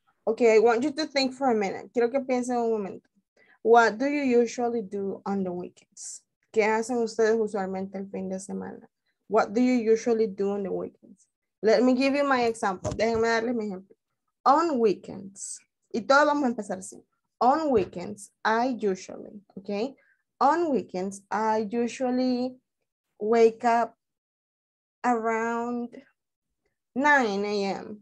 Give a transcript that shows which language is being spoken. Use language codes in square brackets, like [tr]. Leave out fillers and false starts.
[en] Okay, I want you to think for a minute. [es] Quiero que piensen un momento. [en] What do you usually do on the weekends? [es] ¿Qué hacen ustedes usualmente el fin de semana? [en] What do you usually do on the weekends? Let me give you my example. [es] Déjenme darles mi ejemplo. [en] On weekends. [es] Y todos vamos a empezar así. [en] On weekends, I usually, okay? On weekends, I usually wake up around 9 a.m.